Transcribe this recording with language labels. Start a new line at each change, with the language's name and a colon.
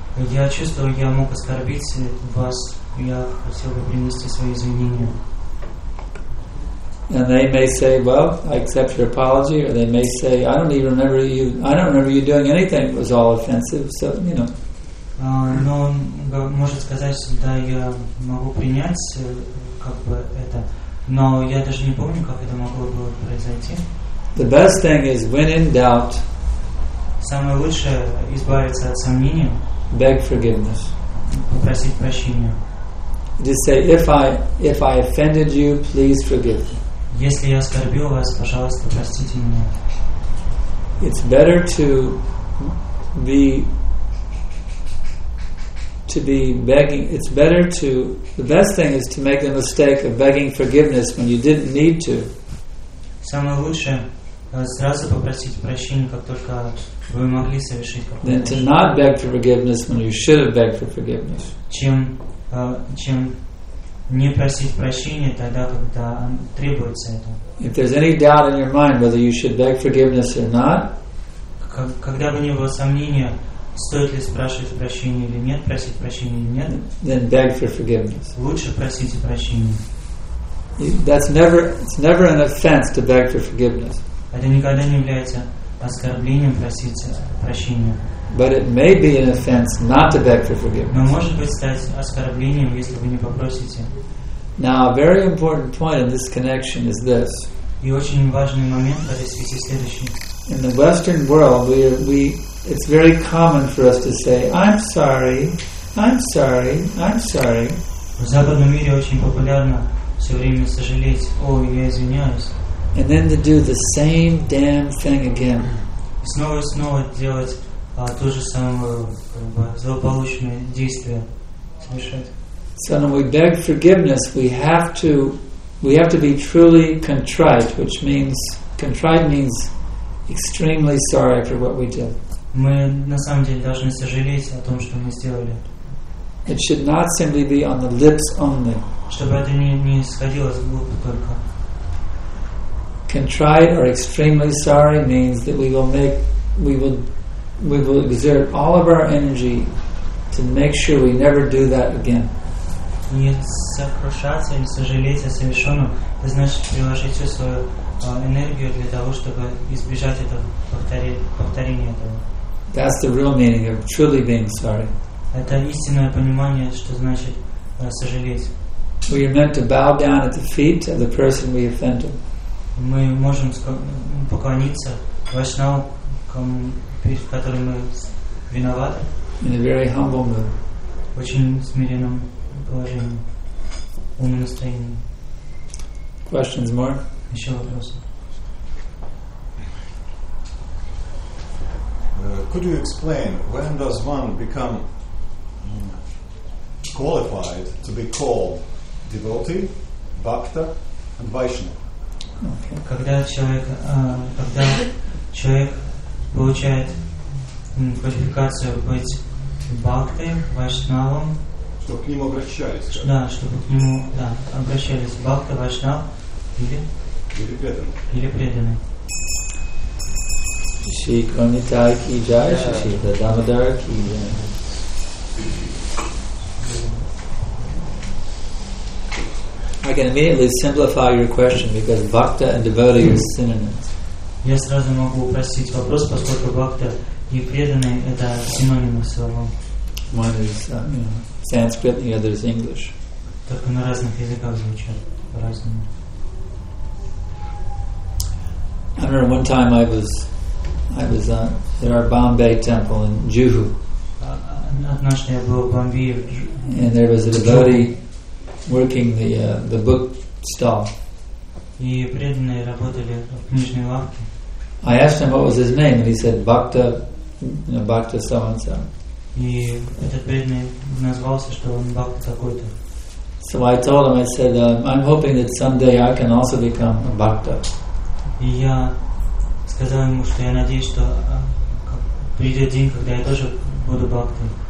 Russian: Я чувствую, я мог оскорбить вас, я хотел бы принести свои извинения.
English: And they may say, well, I accept your apology, or they may say, I don't even remember you, I don't remember you doing anything, it was all offensive, so, you know.
Russian: Но он может сказать, да, я могу принять, как бы, это, но я даже не помню, как это могло бы произойти.
English: The best thing is, when in doubt,
Russian: самое лучшее избавиться от сомнений.
English: Beg forgiveness.
Russian: Попросить прощения.
English: Just say, if I offended you, please forgive me.
Russian: Если я оскорбил вас, пожалуйста, простите меня.
English: It's better to be begging. It's better to the best thing is to make the mistake of begging forgiveness when you didn't need to.
Russian: Самое лучшее. Сразу попросить прощения, как только вы могли совершить какую-то.
English: Then to not beg for forgiveness when you should have begged for forgiveness.
Russian: Чем не просить прощения тогда, когда требуется это.
English: If there's any doubt in your mind whether you should beg forgiveness or not,
Russian: когда бы ни было сомнения, стоит ли спрашивать прощения или нет, просить прощения или нет,
English: then beg for forgiveness.
Russian: Лучше просите прощения.
English: It's never an offense to beg for forgiveness.
Russian: Это никогда не является оскорблением проситься прощения.
English: But it may be an offense not to beg for forgiveness.
Russian: Но может быть стать оскорблением, если вы не попросите.
English: Now, a very important point in this connection is this.
Russian: И очень важный момент в этой связи следующий.
English: In the Western world, it's very common for us to say, I'm sorry, I'm sorry, I'm sorry.
Russian: В западном мире очень популярно все время сожалеть, о, я извиняюсь.
English: And then to do the same damn thing again.
Russian: Снова и снова делать то же самое, как бы, злополучное действие совершать.
English: So when we beg forgiveness, we have to be truly contrite, which means contrite means extremely sorry for what we did.
Russian: Мы на самом деле должны сожалеть о том, что мы сделали.
English: It should not simply be on the lips only.
Russian: Чтобы это не сходило с губ только.
English: Contrite or extremely sorry means that we will exert all of our energy to make sure we never do that again.
Russian: Не сокрушаться, не сожалеть о совершенном, это значит приложить всю свою энергию для того, чтобы избежать этого повторения этого.
English: That's the real meaning of truly being sorry.
Russian: Это истинное понимание, что значит сожалеть.
English: We are meant to bow down at the feet of the person we offended.
Russian: Мы можем поклониться Вайшнавам, перед которым мы виноваты.
English: In a very humble mood.
Russian: В очень смиренном положении, умном настроении.
English: Questions more?
Russian: Еще вопросы.
English: Could you explain when does one become qualified to be called devotee, bhakta, and Vaishnava? Okay.
Russian: Когда человек получает квалификацию быть бхактой, вайшнавом, чтобы к нему обращались. Как? Да, чтобы к нему обращались бхакта, вайшнав или преданный.
Hindi: Шри Кронитай ки джай, Шри Дамодар ки джай.
English: I can immediately simplify your question because bhakta and devotee are synonyms.
Russian: Я сразу могу упростить вопрос, поскольку бхакта и преданный — это синонимы слова.
English: One is Sanskrit, the other is English.
Russian: Только на разных языках звучат по-разному.
English: I remember one time I was at our Bombay temple in Juhu.
Russian: Однажды я был в Бомбее.
English: And there was a devotee working the book stall.
Russian: И преданные работали в книжной лавке.
English: I asked him what was his name, and he said Bhakta, Bhakta so and so.
Russian: И этот преданный назвался, что он Бхакта такой-то.
English: So I told him, I said, I'm hoping that someday I can also become a Bhakta.
Russian: И я сказал ему, что я надеюсь, что придет день, когда я тоже буду Бхактой.